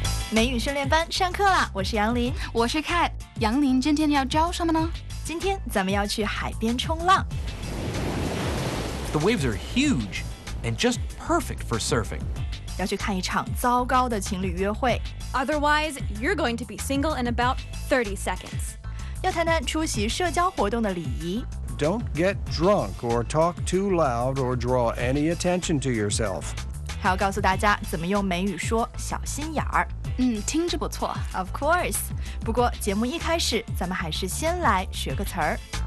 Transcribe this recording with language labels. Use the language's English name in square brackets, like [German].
[Chinese] 美语训练班上课了，我是杨林，我是 Kat。杨林今天要教什么呢？今天咱们要去海边冲浪。 [English] The waves are huge and just perfect for surfing. [Chinese] 要去看一场糟糕的情侣约会。 [English] Otherwise, you're going to be single in about 30 seconds. [Chinese] 要谈谈出席社交活动的礼仪。 [English] Don't get drunk or talk too loud or draw any attention to yourself. [Chinese] 还要告诉大家怎么用美语说小心眼儿。听着不错。 [English] Of course. [Chinese] 不过节目一开始咱们还是先来学个词儿。